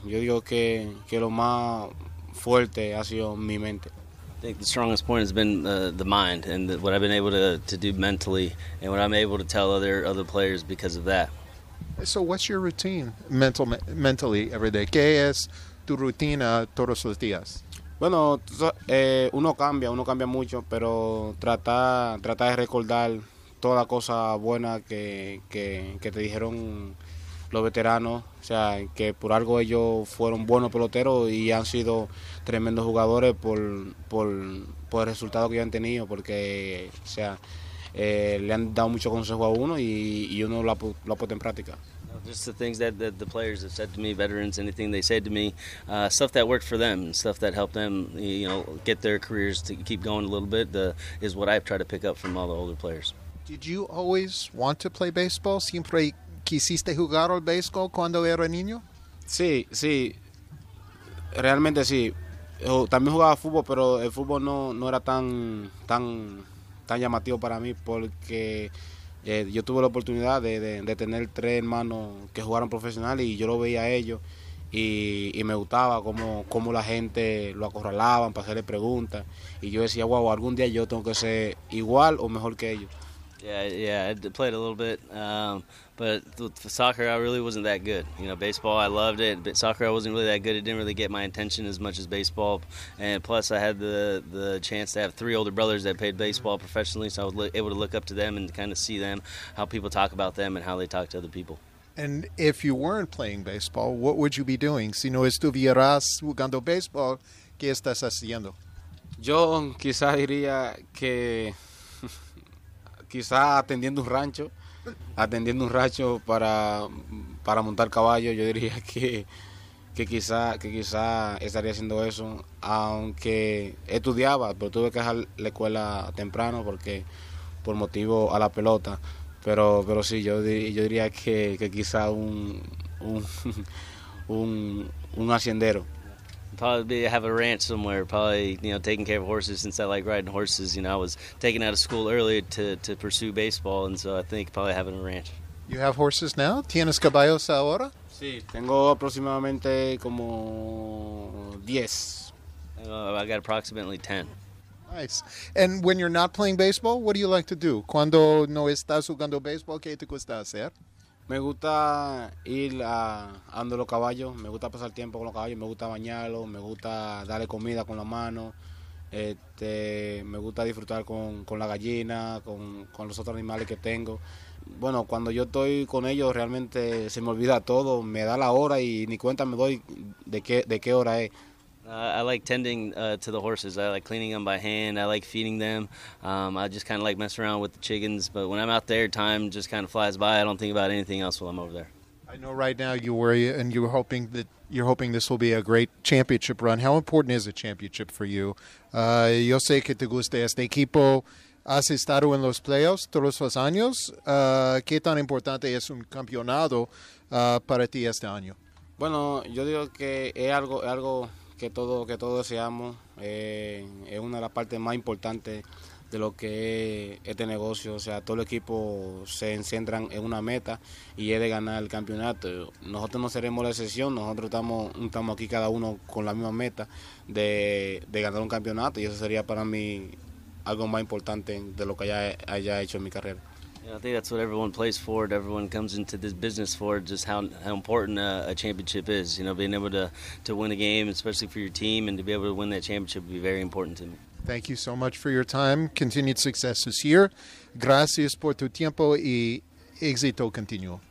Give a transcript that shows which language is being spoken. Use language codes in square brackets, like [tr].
[es] Yo digo que lo más fuerte ha sido mi mente. [en] I think the strongest point has been the mind and what I've been able to do mentally and what I'm able to tell other players because of that. So what's your routine mentally every day? [es] ¿Qué es tu rutina todos los días? Bueno, uno cambia mucho, pero trata de recordar toda la cosa buena que te dijeron los veteranos, o sea, que por algo ellos fueron buenos peloteros y han sido tremendos jugadores por el resultado que han tenido, porque, o sea, le han dado mucho consejo a uno y uno lo ha puesto en práctica. [en] Just the things that the players have said to me, veterans, anything they said to me, stuff that worked for them, stuff that helped them, you know, get their careers to keep going a little bit, is what I've tried to pick up from all the older players. Did you always want to play baseball? [es] ¿Siempre quisiste jugar al béisbol cuando era niño? Sí, sí. Realmente sí. Yo también jugaba fútbol, pero el fútbol no era tan llamativo para mí, porque yo tuve la oportunidad de tener 3 hermanos que jugaron profesionales y yo lo veía a ellos y me gustaba cómo la gente lo acorralaban para hacerle preguntas y yo decía, wow, algún día yo tengo que ser igual o mejor que ellos. [en] Yeah, I played a little bit, but for soccer, I really wasn't that good. You know, baseball, I loved it, but soccer, I wasn't really that good. It didn't really get my attention as much as baseball, and plus, I had the chance to have 3 older brothers that played baseball professionally, so I was able to look up to them and kind of see them, how people talk about them and how they talk to other people. And if you weren't playing baseball, what would you be doing? [es] Si no estuvieras jugando baseball, ¿qué estás haciendo? Yo quizá diría que quizá atendiendo un rancho para montar caballo. Yo diría que quizá estaría haciendo eso, aunque estudiaba, pero tuve que dejar la escuela temprano porque por motivo a la pelota, pero sí, yo diría que quizá un haciendero. [en] Probably have a ranch somewhere, probably, you know, taking care of horses since I like riding horses. You know, I was taken out of school early to pursue baseball, and so I think probably having a ranch. You have horses now? ¿Tienes caballos ahora? [es] Sí, tengo aproximadamente como 10. [en] I got approximately 10. Nice. And when you're not playing baseball, what do you like to do? [es] Cuando no estás jugando baseball, ¿qué te gusta hacer? Me gusta ir ando los caballos, me gusta pasar tiempo con los caballos, me gusta bañarlos, me gusta darle comida con la mano, me gusta disfrutar con la gallina, con los otros animales que tengo. Bueno, cuando yo estoy con ellos realmente se me olvida todo, me da la hora y ni cuenta me doy de qué hora es. [en] I like tending to the horses. I like cleaning them by hand. I like feeding them. I just kind of like messing around with the chickens. But when I'm out there, time just kind of flies by. I don't think about anything else while I'm over there. I know right now you worry and you're hoping that you're hoping this will be a great championship run. How important is a championship for you? [es] Yo sé que te gusta este equipo. Has estado en los playoffs todos los años. ¿Qué tan importante es un campeonato para ti este año? Bueno, yo digo que es algo que todos deseamos es una de las partes más importantes de lo que es este negocio. O sea, todo el equipo se centran en una meta y es de ganar el campeonato. Nosotros no seremos la excepción, nosotros estamos aquí cada uno con la misma meta de ganar un campeonato, y eso sería para mí algo más importante de lo que haya hecho en mi carrera. [en] Yeah, I think that's what everyone plays for. Everyone comes into this business for just how important a championship is. You know, being able to win a game, especially for your team, and to be able to win that championship would be very important to me. Thank you so much for your time. Continued success this year. [es] Gracias por tu tiempo y éxito continuo.